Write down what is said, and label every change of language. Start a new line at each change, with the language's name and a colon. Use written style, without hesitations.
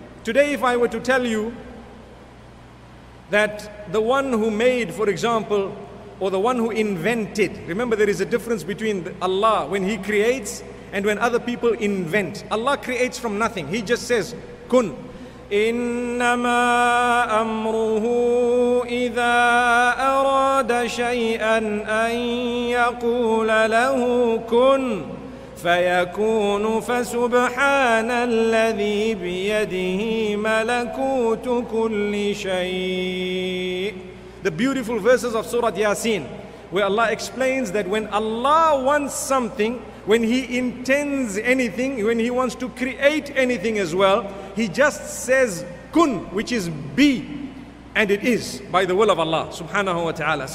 English: Today, if I were to tell you that the one who made, for example, or the one who invented. Remember, there is a difference between Allah when He creates and when other people invent. Allah creates from nothing. He just says, kun.
Arabic: إنما أمره إذا أراد شيئاً أن يقول له كن فيكون فسبحان الذي بيده ملكوت كل شيء.
English: The beautiful verses of Surah Yasin, where Allah explains that when Allah wants something, when He intends anything, when He wants to create anything as well, He just says kun, which is be, and it is by the will of Allah subhanahu wa ta'ala.